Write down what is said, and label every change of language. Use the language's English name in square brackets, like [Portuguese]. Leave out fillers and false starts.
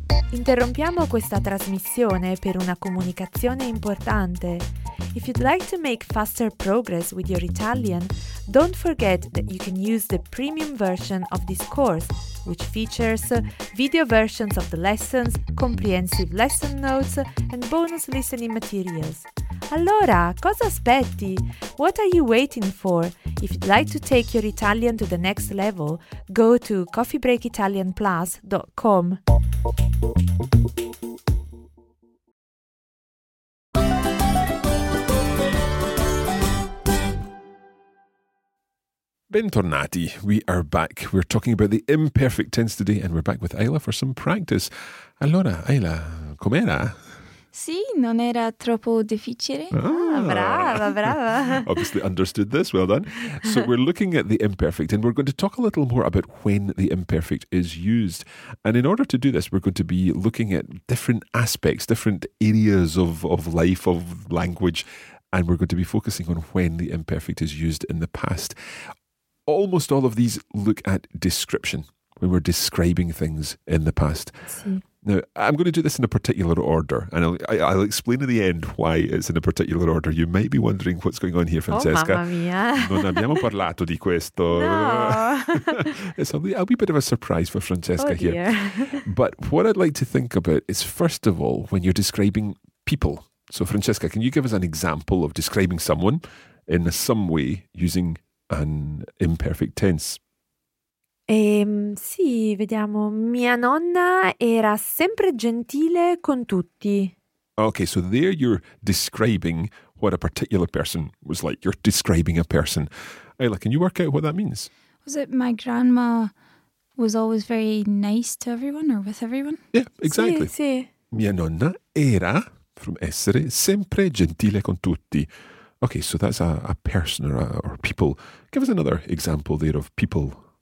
[Italian] Interrompiamo questa trasmissione per una comunicazione importante. [English] If you'd like to make faster progress with your Italian, don't forget that you can use the premium version of this course, which features video versions of the lessons, comprehensive lesson notes, and bonus listening materials. [Italian] Allora, cosa aspetti? [English] What are you waiting for? If you'd like to take your Italian to the next level, go to coffeebreakitalianplus.com. [Italian] Bentornati. [English] We are back. We're talking about the imperfect tense today and we're back with Ayla for some practice. [Italian] Allora, Ayla, com'era? Sì, non era troppo difficile. Ah, brava, brava. [English] Obviously understood this. Well done. So we're looking at the imperfect and we're going to talk a little more about when the imperfect is used. And in order to do this, we're going to be looking at different aspects, different areas of life, of language, and we're going to be focusing on when the imperfect is used in the past. Almost all of these look at description, when we're describing things in the past. [Italian] Sì. [English] Now, I'm going to do this in a particular order, and I'll explain in the end why it's in a particular order. You might be wondering what's going on here, Francesca. [Italian] Oh, mamma mia. Non abbiamo parlato di questo. No. [English] It's a wee bit of a surprise for Francesca here. But what I'd like to think about is, first of all, when you're describing people. So, Francesca, can you give us an example of describing someone in some way using an imperfect tense? [Italian] Sì, vediamo. Mia nonna era sempre gentile con tutti. [English] Okay, so there you're describing what a particular person was like. You're describing a person. Ayla, can you work out what that means? Was it my grandma was always very nice to everyone or with everyone? Yeah, exactly. [Italian] Sì, sì. Mia nonna era, from essere, sempre gentile con tutti. [English] Okay, so that's a person or people. Give us another example there of people.